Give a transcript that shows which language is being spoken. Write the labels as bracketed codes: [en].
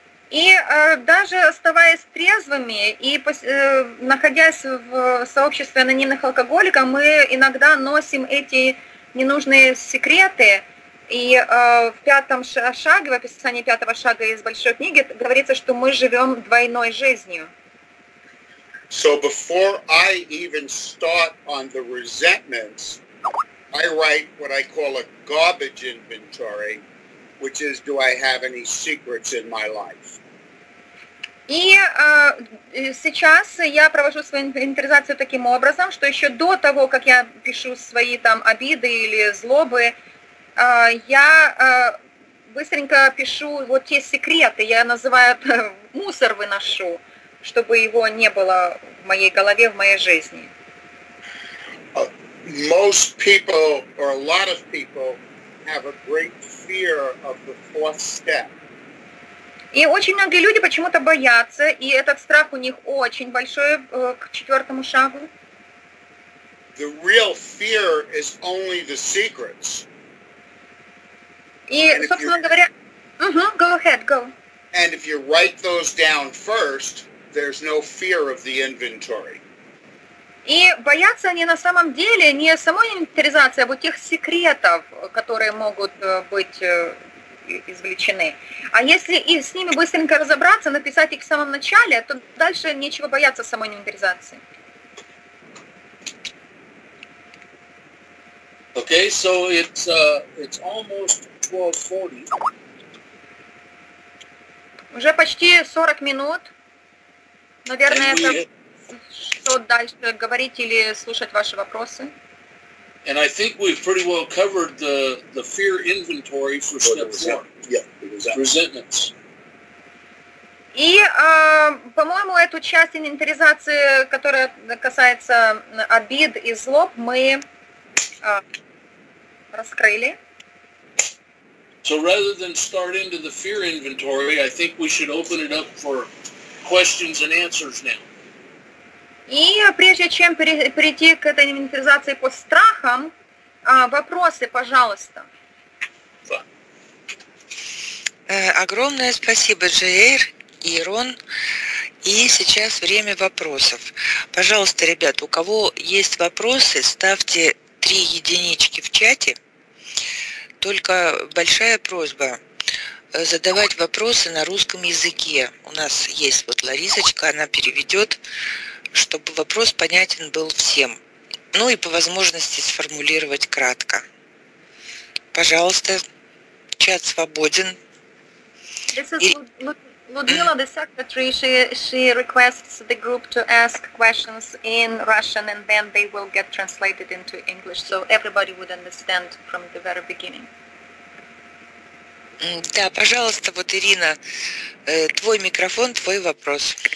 [ru] И даже оставаясь трезвыми и находясь в сообществе анонимных алкоголиков, мы иногда носим эти ненужные секреты, и в пятом шаге, в описании пятого шага из большой книги говорится, что мы живем двойной жизнью. [en] So before I even start on the resentments, I write what I call a garbage inventory, which is, do I have any secrets in my life? [ru] И сейчас я провожу свою инвентаризацию таким образом, что еще до того, как я пишу свои там обиды или злобы, я быстренько пишу вот те секреты, я называю это мусор выношу, чтобы его не было в моей голове, в моей жизни. [en] Most people, or a lot of people, have a great fear of the fourth step. [ru] И очень многие люди почему-то боятся, и этот страх у них очень большой к четвертому шагу. [en] The real fear is only the secrets. [ru] И, собственно говоря, [en] go ahead, go. And if you write those down first, there's no fear of the inventory. [ru] И боятся они на самом деле не самой инвентаризации, а вот тех секретов, которые могут быть извлечены. А если и с ними быстренько разобраться, написать их в самом начале, то дальше нечего бояться самой инвентаризации. [en] Okay, so it's almost 12:40. [ru] Уже почти 40 минут. Наверное, это что дальше говорить или слушать ваши вопросы. [en] And I think we've pretty well covered the fear inventory for step 4. Yeah, resentments. [ru] И, по-моему, эту часть инвентаризации, которая касается обид и злоб, мы раскрыли. [en] So rather than start into the fear inventory, I think we should open it up for questions and answers now. [ru] И прежде чем перейти к этой инвентаризации по страхам, вопросы, пожалуйста. Огромное спасибо, Джейр и Рон. И сейчас время вопросов. Пожалуйста, ребят, у кого есть вопросы, ставьте 3 единички в чате. Только большая просьба задавать вопросы на русском языке. У нас есть вот Ларисочка, она переведет, чтобы вопрос понятен был всем. Ну и по возможности сформулировать кратко. Пожалуйста, чат свободен. [en] Людмила, the secretary, she requests the group to ask questions in Russian, and then they will get translated into English, so everybody would understand from the very beginning. [ru] Да, пожалуйста, вот Ирина, твой микрофон, твой вопрос.